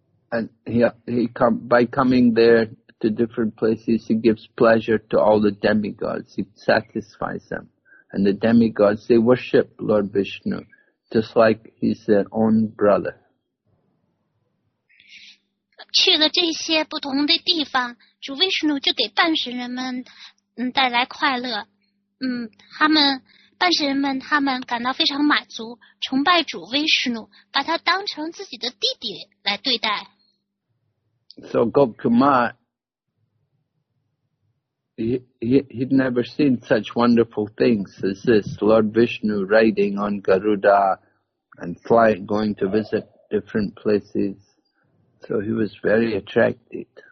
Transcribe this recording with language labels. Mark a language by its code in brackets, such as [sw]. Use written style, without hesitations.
[en] And by coming there to different places, he gives pleasure to all the demigods. He satisfies them, and the demigods they worship Lord Vishnu, just like he's their own brother. [zh] 去了这些不同的地方，主维什努就给半神人们带来快乐。他们感到非常满足，崇拜主维什努，把他当成自己的弟弟来对待。 [en] So Gopkumar, he'd never seen such wonderful things as this. Lord Vishnu riding on Garuda and flying, going to visit different places. So he was very attracted.